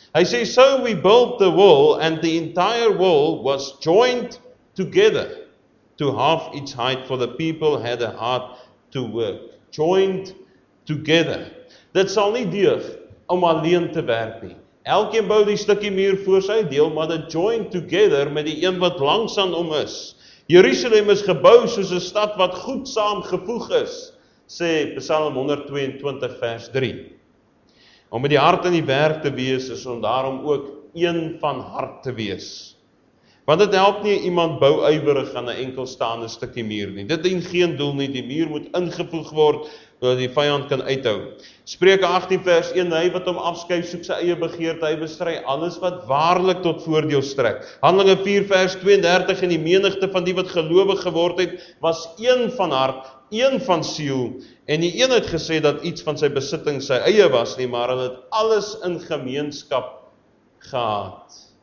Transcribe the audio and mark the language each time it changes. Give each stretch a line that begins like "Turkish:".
Afrikaans: Hy sê so
English: we built the wall and the entire wall was joined together to half its height for the people had a heart to work. Joined together.
Afrikaans: Dit sal nie deur om alleen te werk nie. Elkeen bou die stukkie muur voor sy deel, maar dit
English: joined together
Afrikaans: met die een wat langs aan hom is. Jerusalem is gebou soos 'n stad wat goed saamgevoeg is, sê Psalm 122 vers 3. Om met die hart in die werk te wees, is om daarom ook een van hart te wees. Want dit help nie iemand bou ywerig aan 'n enkelstaande stukkie muur nie. Dit dien geen doel nie, die muur moet ingevoeg word, sodat die vyand kan uithou. Spreuke 18 vers 1, hy wat hom afskuif, soek sy eie begeerte, hy bestry alles wat waarlik tot voordeel strek. Handelinge 4 vers 32, en die menigte van die wat gelowig geword het, was een van hart, een van siel, en die een het gesê dat iets van sy besitting sy eie was nie, maar hulle het alles in gemeenskap gehad.